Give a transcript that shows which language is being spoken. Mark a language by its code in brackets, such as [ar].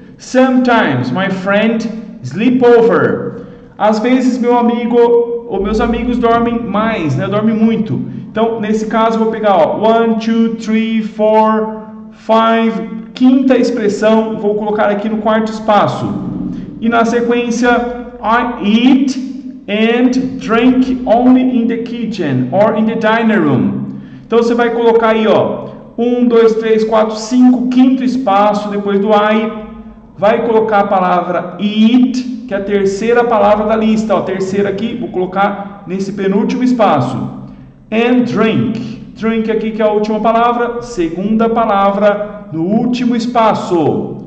[en] Sometimes my friend sleep over. [pt] Às vezes meu amigo ou meus amigos dormem mais, né? Dormem muito. Então, nesse caso, vou pegar, ó, 1, 2, 3, 4, 5, quinta expressão, vou colocar aqui no quarto espaço. E na sequência, [en] I eat and drink only in the kitchen or in the dining room. [pt] Então, você vai colocar aí, ó, 1, 2, 3, 4, 5, quinto espaço, depois do I. Vai colocar a palavra eat, que é a terceira palavra da lista. Ó, terceira aqui, vou colocar nesse penúltimo espaço. [en] And drink. [pt] Drink aqui que é a última palavra. Segunda palavra no último espaço.